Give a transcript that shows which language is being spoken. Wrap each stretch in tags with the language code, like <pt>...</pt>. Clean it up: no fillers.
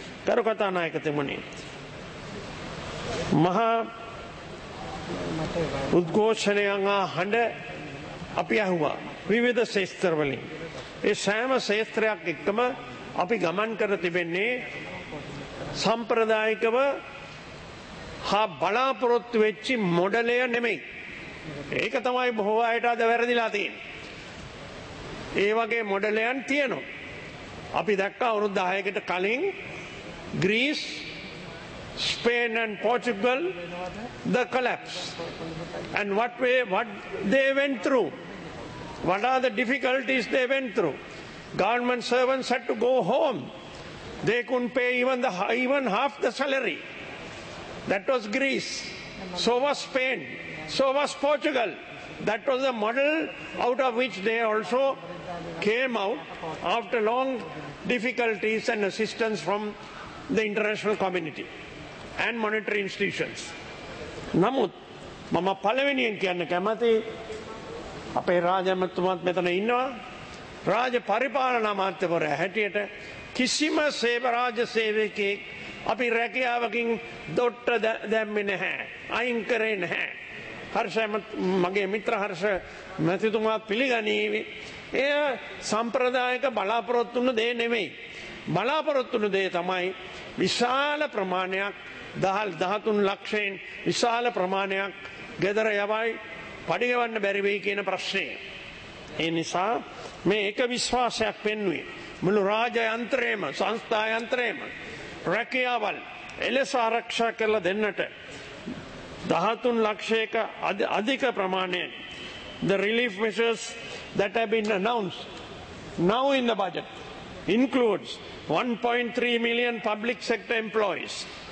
<si>ගරු කථානායක තෙමුණි මහා උද්ඝෝෂණයන් හඬ අපි ඇහුවා විවිධ ශේත්‍රවලින්. ඒ සෑම ශේත්‍රයක් එක්කම අපි ගමන් කර තිබෙන්නේ සම්ප්‍රදායිකව හා බලාපොරොත්තු වෙච්චි මොඩලය නෙමෙයි. ඒක තමයි බොහෝ අයට අද වැරදිලා තියෙන්නේ. ඒ වගේ මොඩලයන් තියෙනවා. අපි දැක්කා අවුරුදු 10කට කලින් grease, Spain</si> <en>and Portugal the collapse and what they went through, what are the difficulties they went through. Government servants had to go home. They couldn't pay even half the salary. That was Greece. So was Spain. So was Portugal. That was the model out of which they also came out after long difficulties and assistance from the international community and monetary institutions.</en> <si>නමුත් මම පළවෙනියෙන් කියන්න කැමති අපේ රාජ අමාත්‍යතුමාත් මෙතන ඉන්නවා. රාජ පරිපාලන අමාත්‍යවරයා හැටියට කිසිම සේව රාජ සේවකයෙක් අපි රැකියාවකින් දොට්ට දැම්මේ නැහැ, අයින් කරේ නැහැ. හර්ෂ මගේ මිත්‍ර හර්ෂ මැතිතුමා පිළිගනීවි. එය සම්ප්‍රදායක බලාපොරොත්තු වුණ දේ නෙමෙයි. බලාපොරොත්තු වුණ දේ තමයි විශාල ප්‍රමාණයක් දහල් 13 ලක්ෂයෙන් විශාල ප්‍රමාණයක් ගෙදර යවයි පඩිගවන්න බැරි වෙයි කියන ප්‍රශ්නය. ඒ නිසා මේ එක විශ්වාසයක් පෙන්වුවේ මුළු රාජ යන්ත්‍රයේම සංස්ථා යන්ත්‍රයේම රැකියාවල් එලෙස ආරක්ෂා කරලා දෙන්නට 13 ලක්ෂයක අධික ප්‍රමාණයෙන්</si> <en>the relief measures that have been announced now in the budget includes 1.3 million public sector employees,</en>